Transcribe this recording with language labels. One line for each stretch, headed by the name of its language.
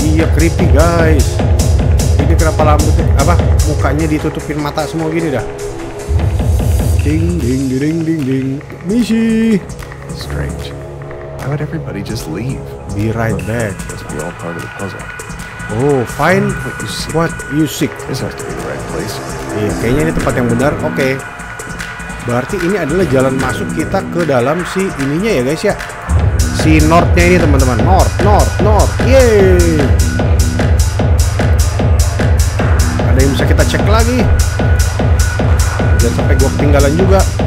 Indonesian: Iya creepy guys. Ini kenapa rambutnya apa? Mukanya ditutupin mata semua gini dah. Ding ding ding ding ding. Misi.
English: Strange. How about everybody just leave? Be right back. Must be all part of the puzzle. Oh, find what you seek. What you seek. This has to be the right place.
Indonesian: Iya, kayaknya ini tempat yang benar. Oke. Berarti ini adalah jalan masuk kita ke dalam si ininya ya guys ya. Si North-nya ini teman-teman. North, North, North. Yeay. Ada yang bisa kita cek lagi. Jangan sampai gua ketinggalan juga.